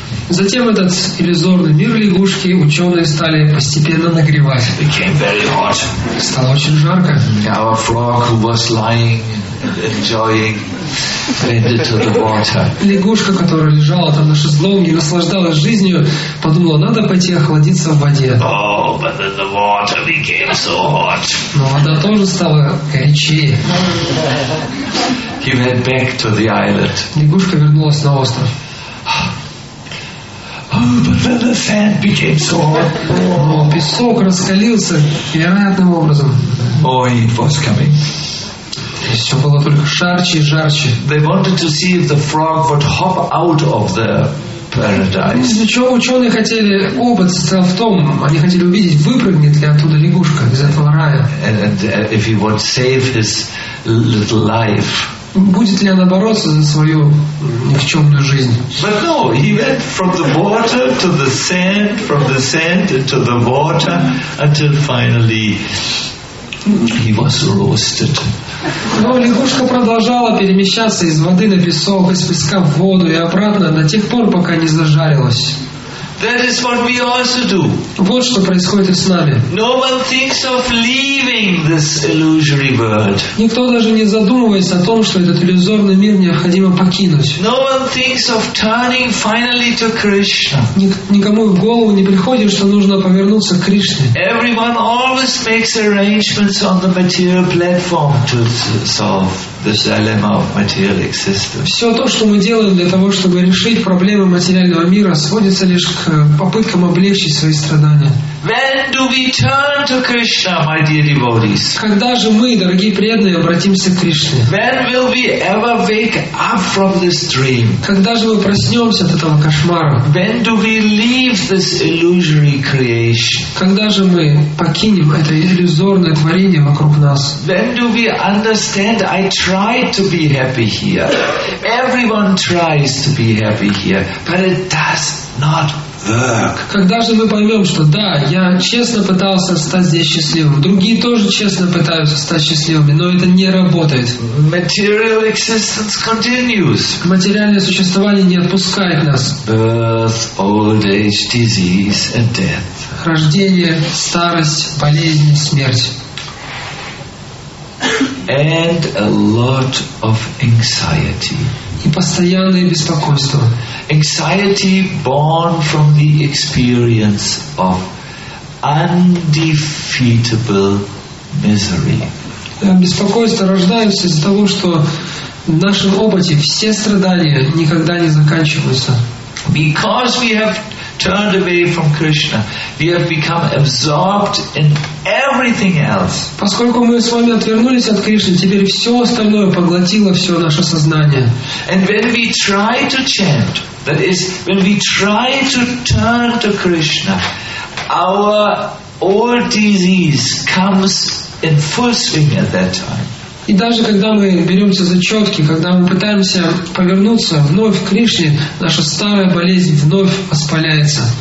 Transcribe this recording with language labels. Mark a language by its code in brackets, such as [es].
[ru] Затем этот иллюзорный мир лягушки ученые стали постепенно нагревать. [en] It became very hot. [ru] Стало очень жарко. [en] Our frog was lying. Enjoying into the water. [ru] Лягушка, которая лежала там на шезлонге, наслаждалась жизнью, подумала, надо пойти охладиться в воде. [en] Oh, but then the water became so hot. [ru] Но вода тоже стала горячее. [en] He went back to the island. [ru] Лягушка вернулась на остров. [en] Oh, but then the sand became so hot. [ru] Но песок раскалился невероятным образом. [en] Oh, it was coming. [ru] Все было только жарче и жарче. [en] They wanted to see if the frog would hop out of the paradise. [ru] Ну, что ученые хотели, опыт состоял в том, они хотели увидеть, выпрыгнет ли оттуда лягушка из этого рая. [en] And if he would save his little life. [ru] Будет ли она бороться за свою никчемную жизнь? [en] But no, he went from the water to the sand, from the sand to the water, until finally. He was roasted. [ru] Но лягушка продолжала перемещаться из воды на песок, из песка в воду и обратно до тех пор, пока не зажарилась. [en] That is what we also do. [ru] Вот что происходит и с нами. [en] No one thinks of leaving this illusory world. [ru] Никто даже не задумывается о том, что этот иллюзорный мир необходимо покинуть. [en] No one thinks of turning finally to Krishna. [ru] Никому в голову не приходит, что нужно повернуться к Кришне. [en] Everyone always makes arrangements on the material platform to solve this dilemma of material existence. [ru] Все то, что мы делаем для того, чтобы решить проблемы материального мира, сводится лишь к попыткам облегчить свои страдания. [en] When do we turn to Krishna, my dear devotees? [ru] Когда же мы, дорогие преданные, обратимся к Кришне? [en] When will we ever wake up from this dream? [ru] Когда же мы проснемся от этого кошмара? [en] When do we leave this illusory creation? [ru] Когда же мы покинем это иллюзорное творение вокруг нас? [en] When do we understand? I tried to be happy here. Everyone tries to be happy here, but it does not work. [ru] Когда же мы поймем, что да, я честно пытался стать здесь счастливым, другие тоже честно пытаются стать счастливыми, но это не работает. [en] Material existence continues. [ru] Материальное существование не отпускает нас. [en] Birth, old age, disease and death. [ru] Рождение, старость, болезнь, смерть. [en] And a lot of anxiety. [ru] И постоянное беспокойство. [en] Anxiety born from the experience of undefeatable misery. [ru] Беспокойство рождается из-за того, что в нашем опыте все страдания никогда не заканчиваются. [en] Because we have turned away from Krishna, we have become absorbed in everything else. [ru] Поскольку мы с вами отвернулись от Кришны, теперь все остальное поглотило все наше сознание. [en] And when we try to chant, that is, when we try to turn to Krishna, our old disease comes in full swing at that time. [ru] И даже когда мы беремся за четки, когда мы пытаемся повернуться вновь к Кришне, наша старая болезнь вновь воспаляется.